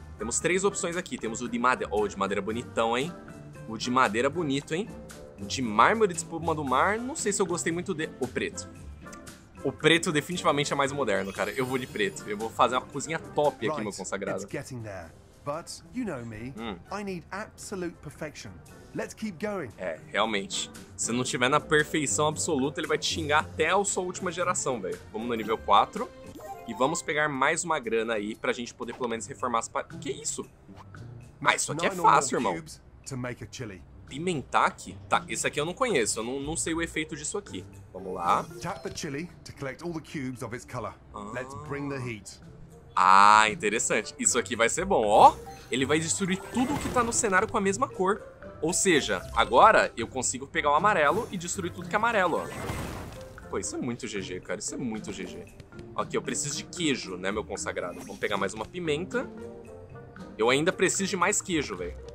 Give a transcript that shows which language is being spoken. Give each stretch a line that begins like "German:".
Portuguese: Temos 3 opções aqui. Temos o de madeira. Oh, o de madeira bonitão, hein? O de madeira bonito, hein? O de mármore de espuma do mar. Não sei se eu gostei muito de... O preto. O preto definitivamente é mais moderno, cara. Eu vou de preto. Eu vou fazer uma cozinha top aqui, meu consagrado.
English: But you know me. I need absolute perfection. Let's keep going.
Portuguese: É, realmente. Se não tiver na perfeição absoluta, ele vai te xingar até a sua última geração, velho. Vamos no nível 4. E vamos pegar mais uma grana aí pra gente poder pelo menos reformar as paredes. Que isso? Ah, isso aqui é fácil, irmão. Pimentaki? Tá, esse aqui eu não conheço. Eu não sei o efeito disso aqui. Vamos lá.
English: Tap the chili to collect all the cubes of its color. Let's bring the heat.
Portuguese: Ah, interessante. Isso aqui vai ser bom. Ó, ele vai destruir tudo que tá no cenário com a mesma cor. Ou seja, agora eu consigo pegar o amarelo e destruir tudo que é amarelo, ó. Pô, isso é muito GG, cara. Isso é muito GG. Ok, eu preciso de queijo, né, meu consagrado? Vamos pegar mais uma pimenta. Eu ainda preciso de mais queijo, velho.